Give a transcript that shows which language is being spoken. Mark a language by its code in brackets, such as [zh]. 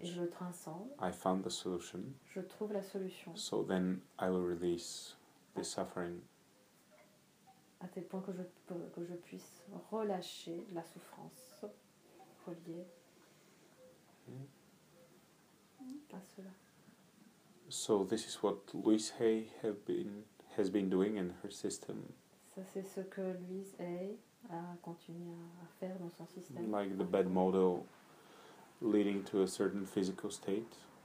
[fr] Et je transcende. [en] I found the solution. [fr] Je trouve la solution. [en] So then I will release this suffering. [fr] À tel point que je puisse relâcher la souffrance reliée. [en] So this is what Louise Hay has been doing in her system. [fr] Ça c'est ce que Louise Hay a continué à faire dans son système. [en] Like the bed model leading to a certain physical state.